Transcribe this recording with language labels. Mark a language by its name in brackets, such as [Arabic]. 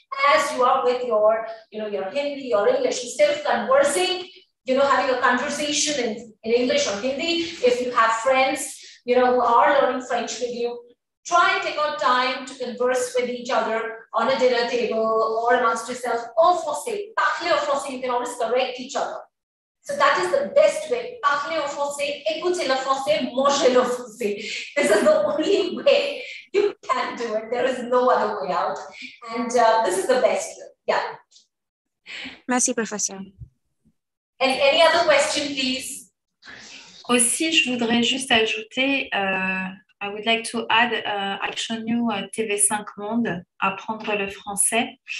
[English] as you are with your, you know, your Hindi or English, instead of conversing, you know, having a conversation in English or Hindi, if you have friends, you know, who are learning French with you, try and take out time to converse with each other on a dinner table or amongst yourself. [French] En français, parlez en français, [English] you can always correct each other. So that is the best way. [French] Parlez en français, écoutez le français, mangez le français. [English] This is the only way you can do it. There is no other way out. And this is the best way. Yeah. [French] Merci, professeur. [English] And any other question, please? [French] Aussi, je voudrais juste ajouter, [English] I would like to add [French] Action New TV5 Monde, apprendre le français.